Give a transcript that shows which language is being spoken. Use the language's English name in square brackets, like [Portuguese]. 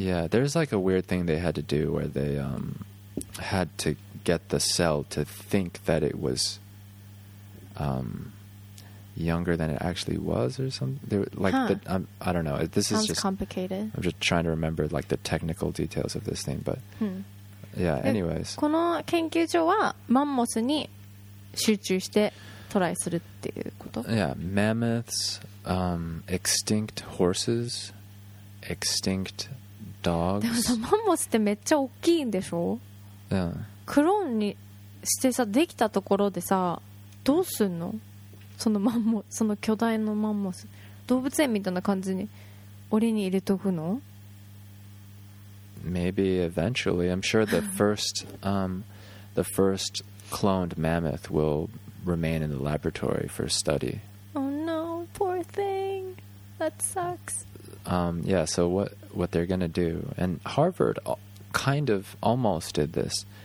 [English] Yeah, there's like a weird thing they had to do where they had to get the cell to think that it was younger than it actually was or something. They were, like, huh. I don't know. This sounds is just complicated. I'm just trying to remember like the technical details of this thing, but yeah, anyways. [Japanese] この研究所はマンモスに集中してトライするっていうこと? [English] Yeah, mammoths, extinct horses, extinct dogs. [Japanese] でもさ、マンモスってめっちゃ大きいんでしょ? [English] Yeah. [Japanese] クローンにしてさ、できたところでさ、どうすんの? そのマンモス、その巨大のマンモス、動物園みたいな感じに檻に入れとくの? [English] Maybe eventually. I'm sure the first, the first cloned mammoth will remain in the laboratory for study. Oh no, poor thing. That sucks. Yeah. So what they're gonna do? And Harvard kind of almost did this.